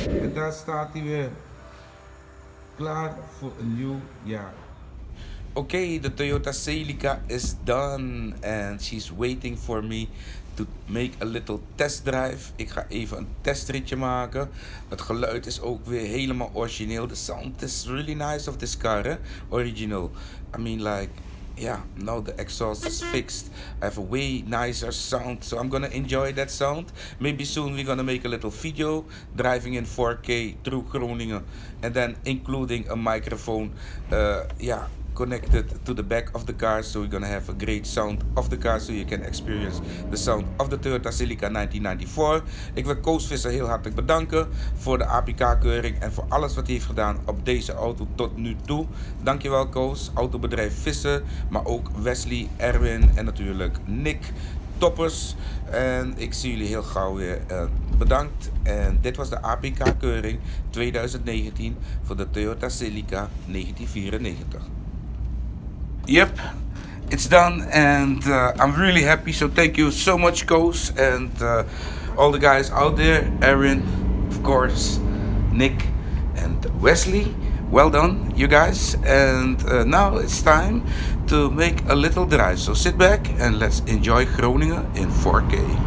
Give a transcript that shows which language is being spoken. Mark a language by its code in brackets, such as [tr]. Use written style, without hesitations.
[nl] En daar staat hij weer. Klaar voor een nieuw jaar. Oké, de [en] Toyota Celica is done. And she's waiting for me to make a little test drive. [nl] Ik ga even een testritje maken. Het geluid is ook weer helemaal origineel. [en] The sound is really nice of this car, hè? Original. I mean, like, yeah, now the exhaust is fixed. I have a way nicer sound, so I'm gonna enjoy that sound. Maybe soon we're gonna make a little video driving in 4K through Groningen, and then including a microphone, yeah, connected to the back of the car, so we're gonna have a great sound of the car, so you can experience the sound of the Toyota Celica 1994. [nl] Ik wil Koos Visser heel hartelijk bedanken voor de APK-keuring en voor alles wat hij heeft gedaan op deze auto tot nu toe. Dankjewel Koos, Autobedrijf Visser, maar ook Wesly, Erwin en natuurlijk Nick, toppers. En ik zie jullie heel gauw weer. Bedankt. En dit was de APK-keuring 2019 voor de Toyota Celica 1994. [en] Yep, it's done, and I'm really happy, so thank you so much, Koos, and all the guys out there, Erwin, of course, Nick, and Wesly, well done, you guys, and now it's time to make a little drive, so sit back and let's enjoy Groningen in 4K.